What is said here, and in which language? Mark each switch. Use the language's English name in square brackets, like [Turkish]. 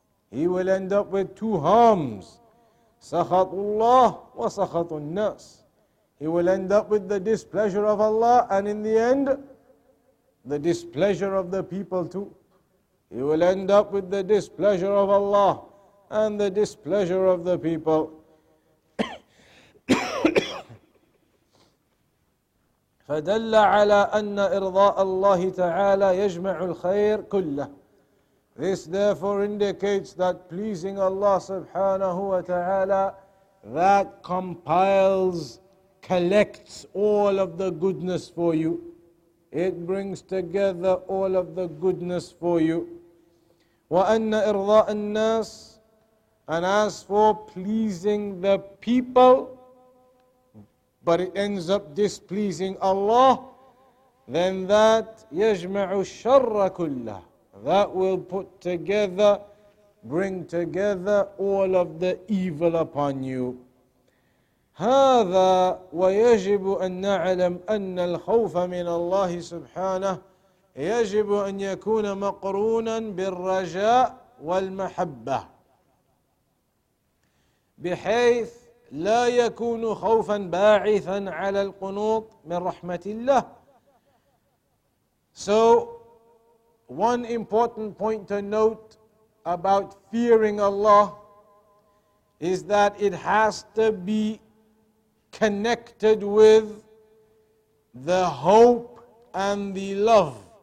[English] He will end up with two harms. [Arabic] Sakhatullah wa sakhatun nas. [English] He will end up with the displeasure of Allah, and in the end, the displeasure of the people too. He will end up with the displeasure of Allah and the displeasure of the people. [Arabic] فدل على أن إرضاء الله تعالى يجمع الخير كله. [English] This therefore indicates that pleasing Allah subhanahu wa ta'ala, that compiles, collects all of the goodness for you. It brings together all of the goodness for you. [Arabic] وَأَنَّ إِرْضَاءَ النَّاسِ. [English] And as for pleasing the people, but it ends up displeasing Allah, then that [Arabic] يَجْمَعُ الشَّرَّ كُلَّهُ. [English] That will put together, bring together all of the evil upon you. [Arabic] هذا ويجب أن نعلم أن الخوف من الله سبحانه يجب أن يكون مقرونا بالرجاء والمحبة بحيث لا يكون خوفا باعثا على القنوط من رحمة الله. [English] So one important point to note about fearing Allah is that it has to be connected with the hope and the love.